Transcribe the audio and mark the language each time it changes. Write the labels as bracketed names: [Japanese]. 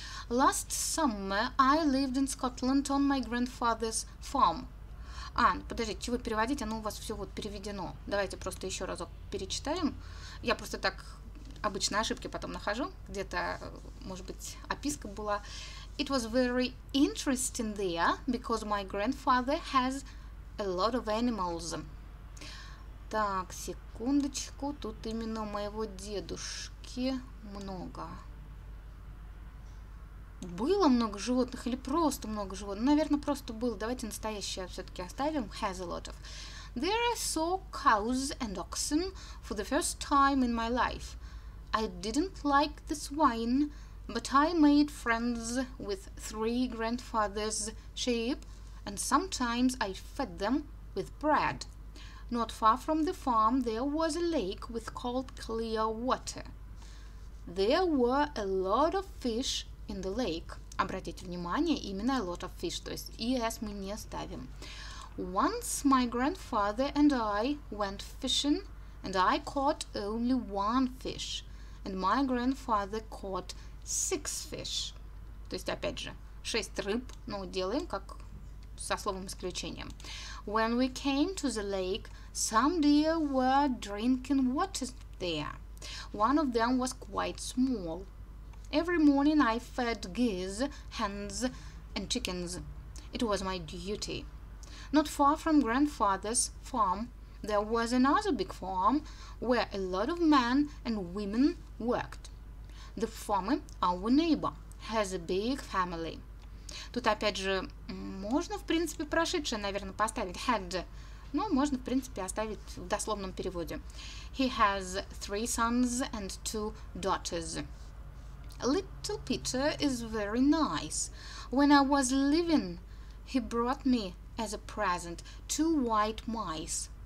[English] Last summer I lived in Scotland on my grandfather's farm. [Russian] А, подождите, чего переводить? Оно у вас все вот переведено. Давайте просто еще разок перечитаем. Я просто так обычно ошибки потом нахожу. Где-то, может быть, описка была. [English] It was very interesting there because my grandfather has a lot of animals. [Russian] Так, секундочку. Тут именно моего дедушки много. Было много животных или просто много животных? Наверное, просто было. Давайте настоящее все-таки оставим. [English] Has a lot of. There I saw cows and oxen for the first time in my life. I didn't like the swine, but I made friends with three grandfather's sheep, and sometimes I fed them with bread. Not far from the farm there was a lake with cold clear water. There were a lot of fish in the lake. [Russian] Обратите внимание, именно [English] a lot of fish, [Russian] то есть ES мы не ставим. [English] Once my grandfather and I went fishing, and I caught only one fish. And my grandfather caught six fish. [Russian] То есть, опять же, шесть рыб, но делаем как со словом исключением. [English] When we came to the lake, some deer were drinking water there. One of them was quite small. Every morning I fed geese, hens and chickens. It was my duty. Not far from grandfather's farm, there was another big farm where a lot of men and women worked. The farmer, our neighbor, has a big family. [Russian] Тут опять же можно в принципе прошедшее, наверное, поставить had, но можно в принципе оставить в дословном переводе. [English] He has three sons and two daughters. Little Peter is very nice. When I was leaving, he brought me as a present two white mice.